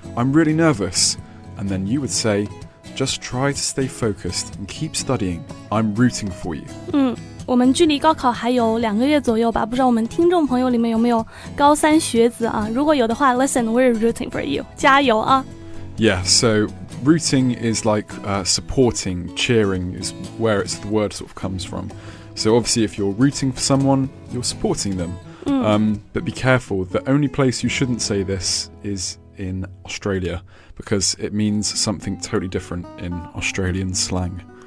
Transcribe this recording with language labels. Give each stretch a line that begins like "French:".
English: I'm really nervous. And then you would say, just try to stay focused and keep studying. I'm rooting for you.
Chinese: 我们距离高考还有两个月左右吧，不知道我们听众朋友里面有没有高三学子啊？如果有的话
English: ，Listen, we're rooting for you.
Chinese: 加油啊
English: ！Yeah, so rooting is like supporting, cheering is where it's the word sort of comes from. So obviously, if you're rooting for someone, you're supporting them. But be careful. The only place you shouldn't say this is in Australia because it means something totally different in Australian slang.